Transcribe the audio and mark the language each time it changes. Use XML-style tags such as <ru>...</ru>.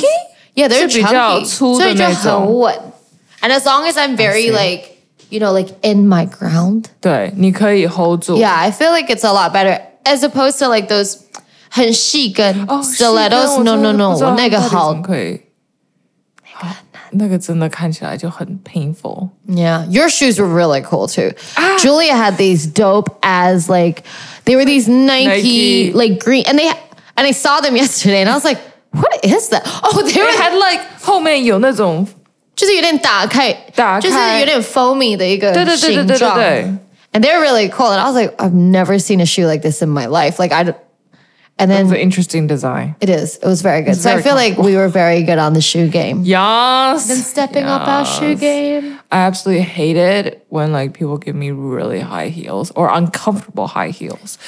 <en>Chunky? Yeah, they're chunky. So what? And as long as I'm very, like, you know, like, in my ground.</en> <zh>对,你可以hold住.</zh> <en>Yeah, I feel like it's a lot better. As opposed to, like, those</en> <zh>很细跟</zh> <en>stilettos. Oh, no, no, no.</en> <zh>那个好。那个, 那个真的看起来就很 painful.</zh> <en>Yeah. Your shoes were really cool, too. Ah. Julia had these dope as, like, they were these Nike, like, green. And I saw them yesterday, and I was like, what is that? Oh, they had, like,</en> <zh>后面有那种... 就是有点打开 foamy 的一个形状。</zh> <en>And they're really cool. And I was like, I've never seen a shoe like this in my life. Like, I. And then. It's an interesting design. It is. It was very good. So very I feel like we were very good on the shoe game. Yes. Been stepping up our shoe game. I absolutely hate it when like people give me really high heels or uncomfortable high heels.</en>